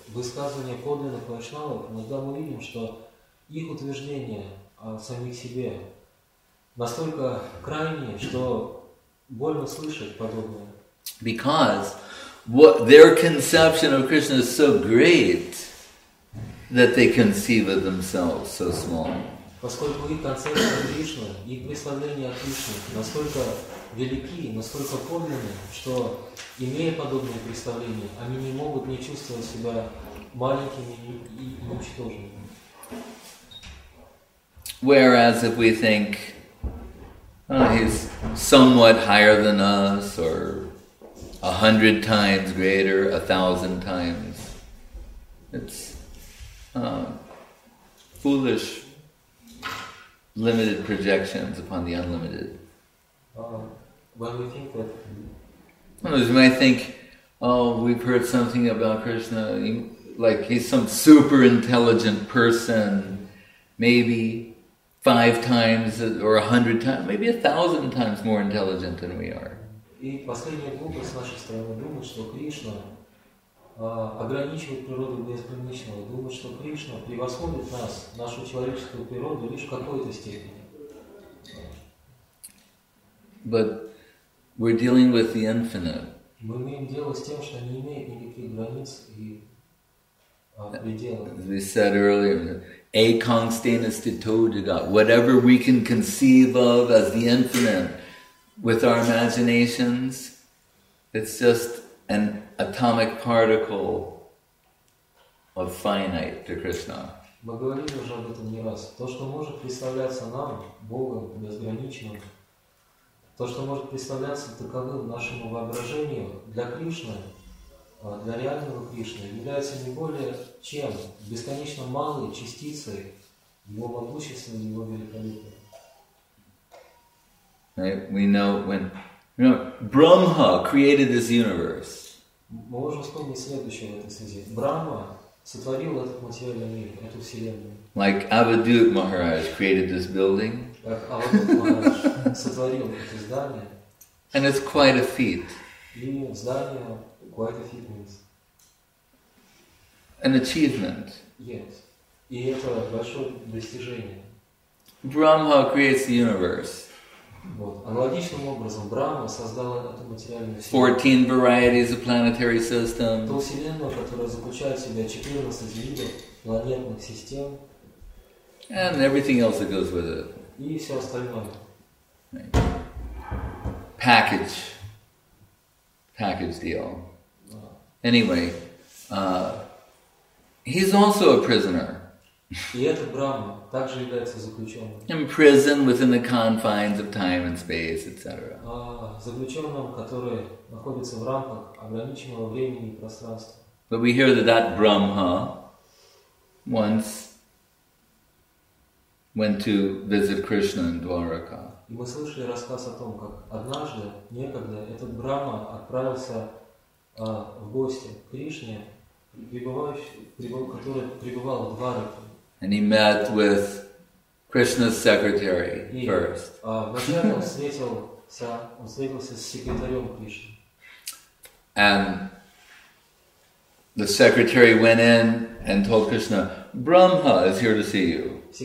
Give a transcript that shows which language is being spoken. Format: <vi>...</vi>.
<ru>Высказывания подлинных вайшнавов, иногда мы видим, что их утверждения о самих себе настолько крайние, что больно слышать подобное.</ru> <en>Because what their conception of Krishna is so great that they conceive of themselves so small.</en> <ru>Поскольку их концепция Кришны, их представления о Кришне настолько велики, настолько подлинны, что, имея подобные представления, они не могут не чувствовать себя маленькими и ничтожными.</ru> <en>Whereas if we think, he's somewhat higher than us, or 100 times greater, 1,000 times, it's foolish. Limited projections upon the unlimited. When we think that You might think, oh, we've heard something about Krishna, like he's some super intelligent person, maybe 5 times or 100 times, maybe 1,000 times more intelligent than we are.</en> <ru>И последняя глупость с нашей стороны думать, что Кришна ограничивает природу безграничного, думать, что Кришна превосходит нас, нашу человеческую природу, лишь в какой-то степени.</ru> <en>But we're dealing with the infinite.</en> <ru>Мы имеем дело с тем, что не имеет никаких границ и пределов.</ru> <en>As we said earlier, Ekang Stenis Titodaga, whatever we can conceive of as the infinite, with our imaginations, it's just an atomic particle of finite to Krishna.</en> <ru>Мы говорили уже об этом не раз. То, что может представляться нам, Богом, безграничным, то, что может представляться таковым нашему воображению, для Кришны, для реального Кришны, является не более чем бесконечно малой частицей Его могущества, Его великолепия.</ru> <en>Right? We know when, you know, Brahma created this universe.</en> <ru>Мы можем вспомнить следующее в этой связи. Брахма сотворил этот материальный мир, эту вселенную.</ru> <en>Like Avadhut Maharaj created this building.</en> <ru>Как Avadhut Maharaj сотворил это здание.</ru> <en>And it's quite a feat.</en> <ru>И здание</ru> <en>quite a feat means. An achievement. Yes.</en> <ru>И это большое достижение.</ru> <en>Brahma creates the universe.</en> <ru>Вот. Аналогичным образом Брахма создал эту материальную вселенную.</ru> <en>14 varieties of planetary system.</en> <ru>Ту вселенную, которая заключает в себя 14 видов планетных систем.</ru> <en>And everything else that goes with it.</en> <ru>И все остальное.</ru> <en>Right. Package. Package deal. Anyway, he's also a prisoner.</en> <ru>И этот Брахма также является заключенным.</ru> <en>Imprisoned within the confines of time and space, etc.</en> <ru>Заключенным, который находится в рамках ограниченного времени и пространства.</ru> <en>But we hear that that Brahma once went to visit Krishna in Dwaraka.</en> <ru>И мы слышали рассказ о том, как однажды, некогда, этот Брахма отправился в гости к Кришне, который пребывал в Двараке.</ru> <en>And he met with Krishna's secretary first. And the secretary went in and told Krishna, Brahma is here to see you.</en>